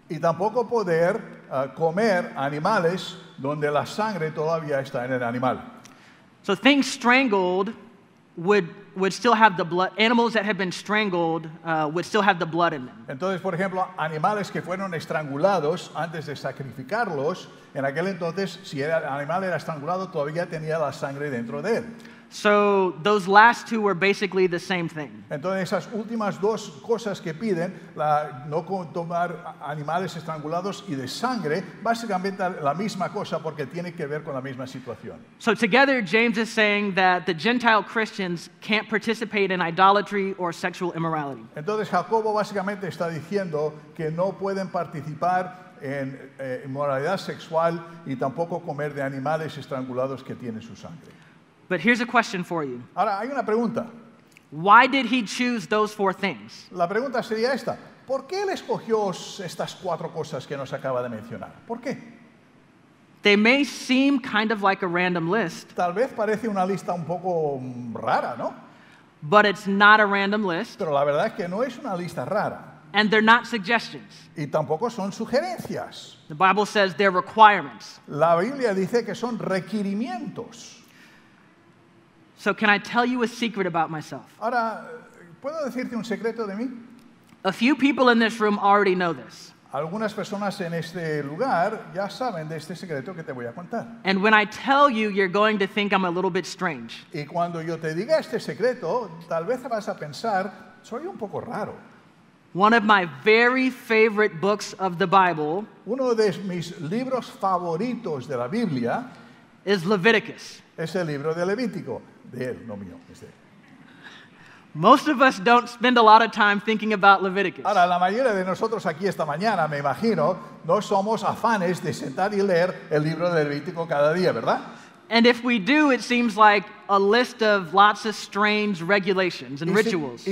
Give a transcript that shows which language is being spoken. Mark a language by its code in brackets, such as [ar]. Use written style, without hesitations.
[es] Y tampoco poder comer animales donde la sangre todavía está en el animal. [en] So things strangled would still have the blood. Animals that have been strangled would still have the blood in them. [es] Entonces, por ejemplo, animales que fueron estrangulados antes de sacrificarlos, en aquel entonces, si el animal era estrangulado, todavía tenía la sangre dentro de él. [en] So those last two were basically the same thing. [es] Entonces esas últimas dos cosas que piden, la, no tomar animales estrangulados y de sangre, básicamente la misma cosa porque tiene que ver con la misma situación. [en] So together James is saying that the Gentile Christians can't participate in idolatry or sexual immorality. [es] Entonces Jacobo básicamente está diciendo que no pueden participar en inmoralidad sexual y tampoco comer de animales estrangulados que tienen su sangre. [en] But here's a question for you. [es] Ahora, hay una pregunta. Why did he choose those four things? La pregunta sería esta. ¿Por qué él escogió estas cuatro cosas que nos acaba de mencionar? ¿Por qué? [en] They may seem kind of like a random list. [es] Tal vez parece una lista un poco rara, ¿no? [en] But it's not a random list. [es] Pero la verdad es que no es una lista rara. [en] And they're not suggestions. [es] Y tampoco son sugerencias. [en] The Bible says they're requirements. [es] La Biblia dice que son requerimientos. [en] So can I tell you a secret about myself? [es] Ahora, ¿puedo decirte un secreto de mí? [en] A few people in this room already know this. [es] Algunas personas en este lugar ya saben de este secreto que te voy a contar. [en] And when I tell you, you're going to think I'm a little bit strange. [es] Y cuando yo te diga este secreto, tal vez vas a pensar, soy un poco raro. [en] One of my very favorite books of the Bible. [es] Uno de mis libros favoritos de la Biblia. [en] Is Leviticus. [es] Es el libro de Levítico. De él, no mío, es de él. [en] Most of us don't spend a lot of time thinking about Leviticus. [es] Ahora, la mayoría de nosotros aquí esta mañana, me imagino, no somos afanes de sentar y leer el libro de Levítico cada día, ¿verdad? [en] And if we do, it seems like a list of lots of strange regulations and rituals.